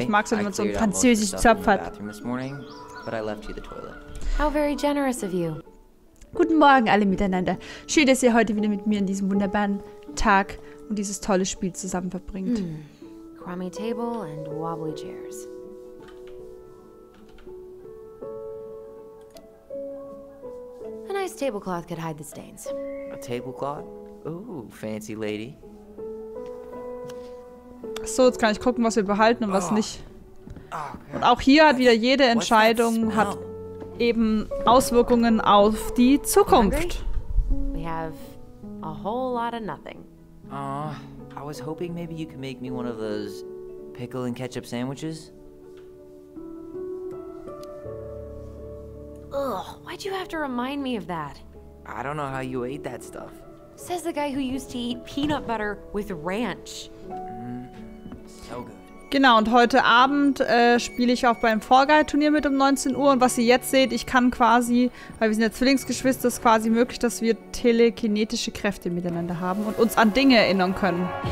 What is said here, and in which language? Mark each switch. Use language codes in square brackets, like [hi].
[de] ich mag es, wenn man so ein französisch Zopf hat. [en] This morning, but I left you the toilet. How very generous of you. [de] Guten Morgen alle miteinander. Schön, dass ihr heute wieder mit mir an diesem wunderbaren Tag und dieses tolle Spiel zusammen verbringt. Mm. [en] Crummy table and wobbly chairs. An nice tablecloth could hide the stains. A tablecloth? Ooh, fancy lady. [de] So, jetzt kann ich gucken, was wir behalten und was nicht. Und auch hier hat wieder jede Entscheidung hat eben Auswirkungen auf die Zukunft. [en] We have a whole lot of nothing. I was hoping maybe you could make me one of those pickle and ketchup sandwiches. Ugh, why'd you have to remind me of that? I don't know how you ate that stuff. Says the guy who used to eat peanut butter with ranch. So good. [de] Genau, und heute Abend spiele ich auch beim Fall-Guy-Turnier mit um 19 Uhr. Und was ihr jetzt seht, ich kann quasi, weil wir sind ja Zwillingsgeschwister, ist quasi möglich, dass wir telekinetische Kräfte miteinander haben und uns an Dinge erinnern können.